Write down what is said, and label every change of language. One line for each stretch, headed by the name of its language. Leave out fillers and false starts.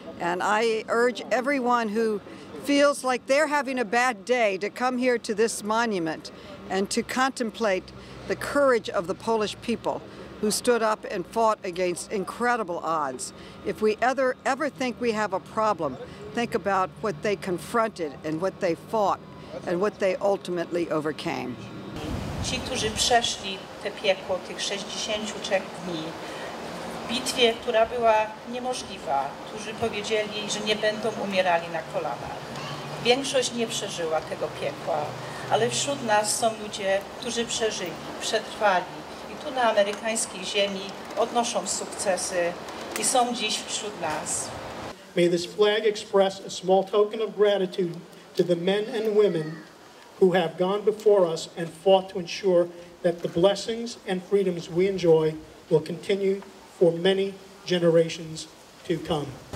English: And I urge everyone who feels like they're having a bad day to come here to this monument and to contemplate the courage of the Polish people who stood up and fought against incredible odds. If we ever think we have a problem, think about what they confronted and what they fought and what they ultimately overcame.
Polish: Ci, którzy przeszli te piekło tych 63 dni, bitwie, która była niemożliwa, którzy powiedzieli, że nie będą umierali na kolanach. Większość nie przeżyła tego piekła, ale wśród nas są ludzie, którzy przeżyli, przetrwali i tu na amerykańskiej ziemi odnoszą sukcesy i są dziś wśród nas.
English: May this flag express a small token of gratitude to the men and women who have gone before us and fought to ensure that the blessings and freedoms we enjoy will continue for many generations to come.